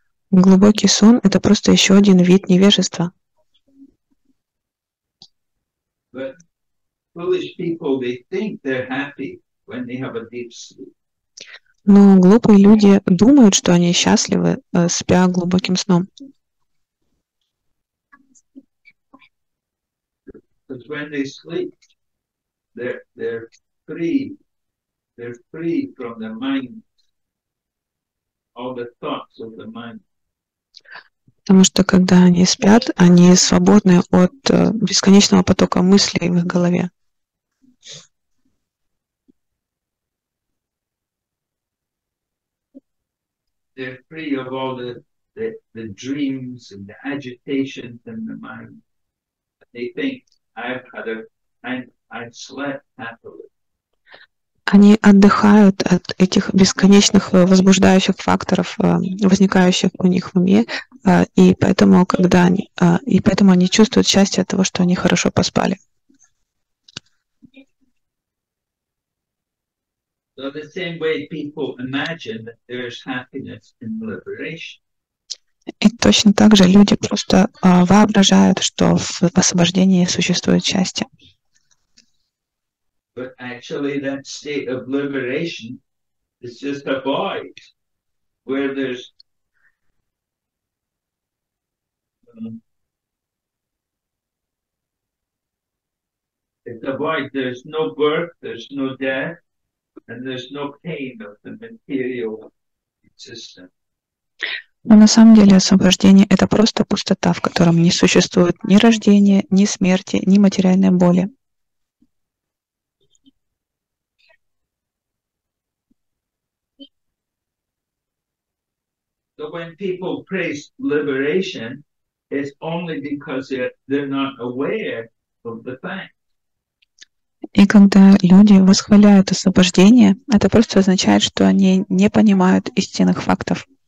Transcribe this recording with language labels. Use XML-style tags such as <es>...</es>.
<ru>Глубокий сон – это просто еще один вид невежества.</ru> <en>But foolish people, they think they're happy when they have a deep sleep.</en> <ru>Но глупые люди думают, что они счастливы, спя глубоким сном.</ru> <en>Because when they sleep, they're free. They're free from the mind, all the thoughts of the mind.</en> <ru>Потому что когда они спят, они свободны от бесконечного потока мыслей в их голове.</ru> <en>They're free of all the dreams and the agitations in the mind. They think I've had a and I've slept happily.</en> <ru>Они отдыхают от этих бесконечных возбуждающих факторов, возникающих у них в уме, и поэтому они чувствуют счастье от того, что они хорошо поспали.</ru> <en>So the same way people imagine that there's happiness in liberation.</en> <ru>И точно так же люди просто воображают, что в освобождении существует счастье.</ru> <en>But actually that state of liberation is just a void where there's it's a void, there's no birth, there's no death, and there's no pain of the material existence.</en> <ru>Но на самом деле освобождение — это просто пустота, в котором не существует ни рождения, ни смерти, ни материальной боли.</ru> <en>So when people praise liberation, it's only because they're not aware of the fact.</en> <ru>И когда люди восхваляют освобождение, это просто означает, что они не понимают истинных фактов.</ru>